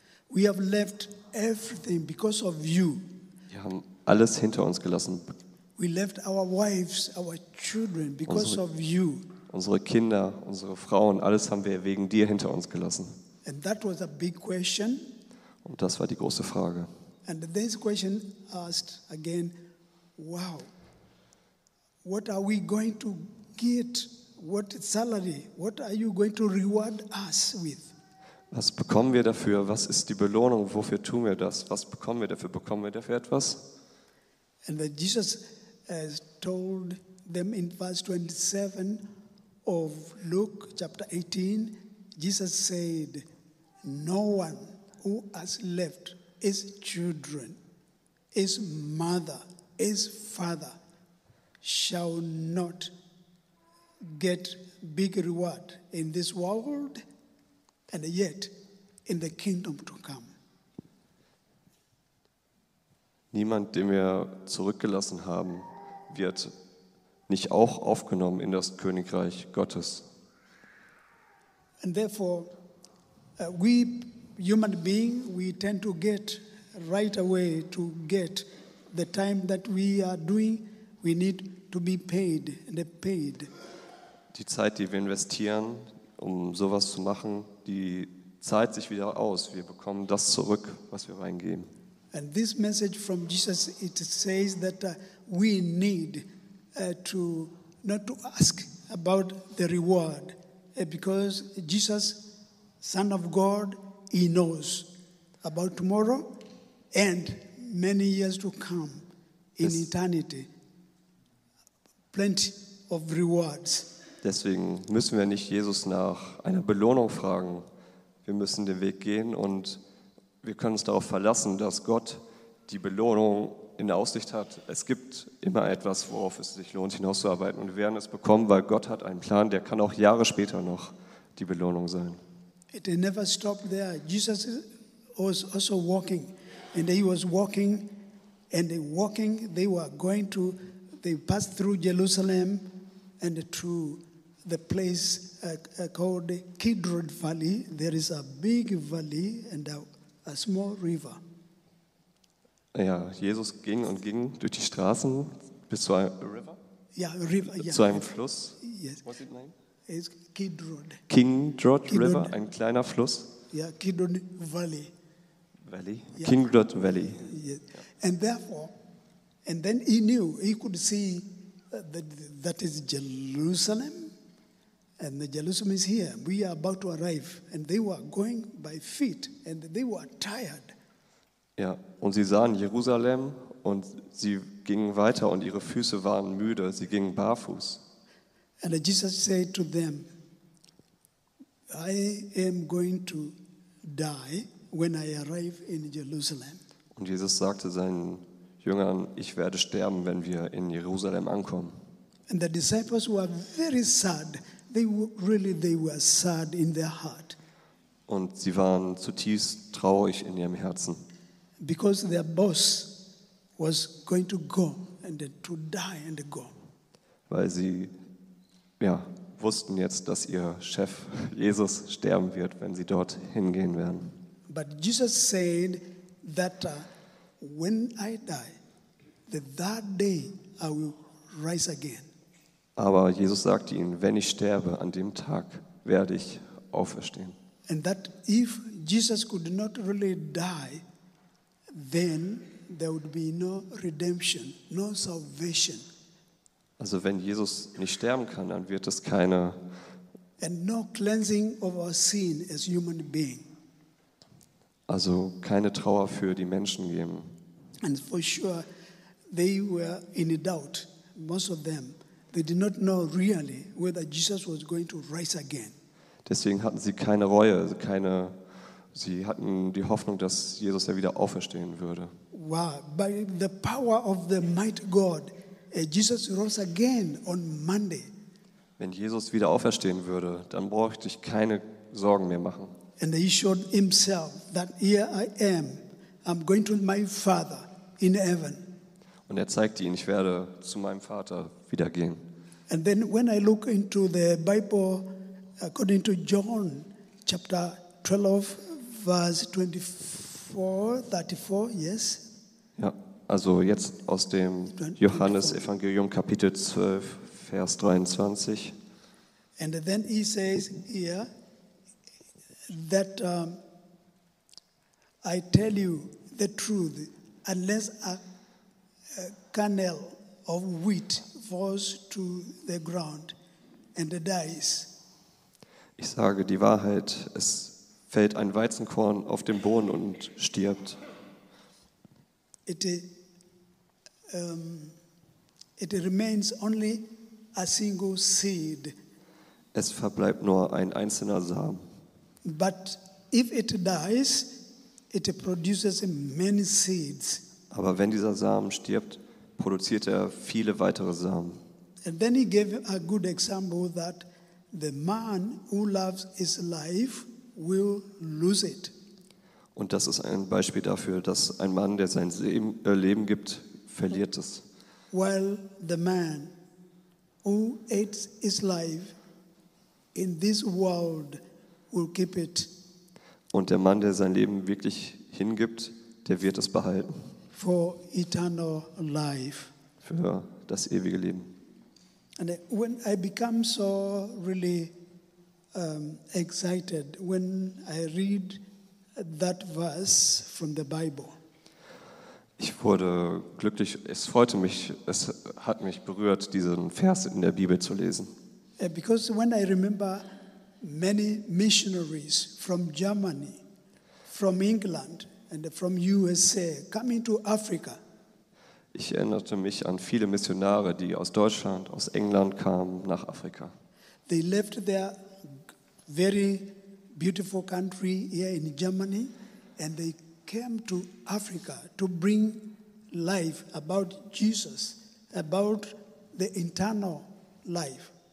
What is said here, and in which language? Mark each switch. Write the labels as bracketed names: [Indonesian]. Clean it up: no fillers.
[English] We have left everything because of you. [German] Wir haben alles hinter uns gelassen. [English] We left our wives, our children because of you. [German] Unsere Kinder, unsere Frauen, alles haben wir wegen dir hinter uns gelassen. [English] And that was a big question. [German] Und das war die große Frage. [English] And this question asked again, wow, what are we going to get? What salary? What are you going to reward us with? [German] Was bekommen wir dafür? Was ist die Belohnung? Wofür tun wir das? Was bekommen wir dafür? Bekommen wir dafür etwas? [English] And that Jesus has told them in verse 27 of Luke chapter 18, Jesus said, no one who has left his children, his mother, his father, shall not get big reward in this world and yet in the kingdom to come. [German] Niemand, den wir zurückgelassen haben, wird nicht auch aufgenommen in das Königreich Gottes. [English] And therefore, we human being, we tend to get right away to get the time that we are doing, we need to be paid and paid. [German] Die Zeit, die wir investieren, um sowas zu machen, die zahlt sich wieder aus. Wir bekommen das zurück, was wir reingeben. [English] And this message from Jesus, it says that we need to not to ask about the reward, because Jesus, Son of God, he knows about tomorrow and many years to come in eternity. Plenty of rewards. [German] Deswegen müssen wir nicht Jesus nach einer Belohnung fragen. Wir müssen den Weg gehen und wir können uns darauf verlassen, dass Gott die Belohnung in der Aussicht hat. Es gibt immer etwas, worauf es sich lohnt, hinauszuarbeiten. Und wir werden es bekommen, weil Gott hat einen Plan, der kann auch Jahre später noch die Belohnung sein. [English] It never stopped there. Jesus was also walking, and he was walking, and walking. They were going to, they passed through Jerusalem, and to the place called Kidron Valley. There is a big valley and a small river. [German] Ja, Jesus ging und ging durch die Straßen bis zu einem [English] River. Yeah, river. Yeah. [German] Zu einem Fluss. [English] Yes. What's his name? Is Kidron. [German] Kidron River, ein kleiner Fluss. Ja, Kidron Valley. [English] Valley. Yeah. Kingdot Valley. Yeah. And therefore, and then he knew, he could see that that is Jerusalem, and the Jerusalem is here. We are about to arrive, and they were going by feet, and they were tired. [German] Ja, und sie sahen Jerusalem und sie gingen weiter und ihre Füße waren müde, sie gingen barfuß. [English] And Jesus said to them, I am going to die when I arrive in Jerusalem. [German] Und Jesus sagte seinen Jüngern, ich werde sterben, wenn wir in Jerusalem ankommen. [English] And the disciples were very sad. They were sad in their heart. [German] Und sie waren zutiefst traurig in ihrem Herzen. [English] Because their boss was going to go and to die and go. [German] Weil sie ja, wussten jetzt, dass ihr Chef Jesus sterben wird, wenn sie dort hingehen werden. [English] But Jesus said that when I die, the third day I will rise again. [German] Aber Jesus sagte ihnen, wenn ich sterbe, an dem Tag werde ich auferstehen. [English] And that if Jesus could not really die, then there would be no redemption, no salvation. [German] Also wenn Jesus nicht sterben kann, dann wird es keine [English] and no cleansing of our sin as human being. [German] Also keine Trauer für die Menschen geben. [English] And for sure they were in a doubt, most of them. They did not know really whether Jesus was going to rise again. [German] Deswegen hatten sie keine Reue, keine sie hatten die Hoffnung, dass Jesus ja wieder auferstehen würde. [English] Wow, by the power of the mighty God, Jesus rose again on Monday. [German] Wenn Jesus wieder auferstehen würde, dann bräuchte ich keine Sorgen mehr machen. [English] And he showed himself that here I am, I'm going to my Father in heaven. [German] Und er zeigte ihnen, ich werde zu meinem Vater wieder gehen. [English] And then when I look into the Bible, according to John chapter 12, verse 34, yes. Ja. [German] Also jetzt aus dem Johannes-Evangelium, Kapitel 12, Vers 23. [English] And then he says here that I tell you the truth, unless a kernel of wheat falls to the ground and dies. [German] Ich sage die Wahrheit, es fällt ein Weizenkorn auf den Boden und stirbt. [English] It remains only a single seed. [German] Es verbleibt nur ein einzelner Samen. [English] But if it dies, it produces many seeds. [German] Aber wenn dieser Samen stirbt, produziert er viele weitere Samen. [English] And then he gave a good example that the man who loves his life will lose it. [German] Und das ist ein Beispiel dafür, dass ein Mann, der sein Leben gibt, verliert es. [English] Well, the man who hates his life in this world will keep it. [German] Und der Mann, der sein Leben wirklich hingibt, der wird es behalten. [English] For eternal life. [German] Für das ewige Leben. [English] And when I become so really excited when I read that verse from the Bible. [German] Ich wurde glücklich, es freute mich, es hat mich berührt, diesen Vers in der Bibel zu lesen. [English] Because when I remember many missionaries from Germany, from England and from USA coming to Africa. [German] Ich erinnerte mich an viele Missionare, die aus Deutschland, aus England kamen nach Afrika. [English] They left their very beautiful country here in Germany and they came to Africa to bring life about Jesus, about the eternal life.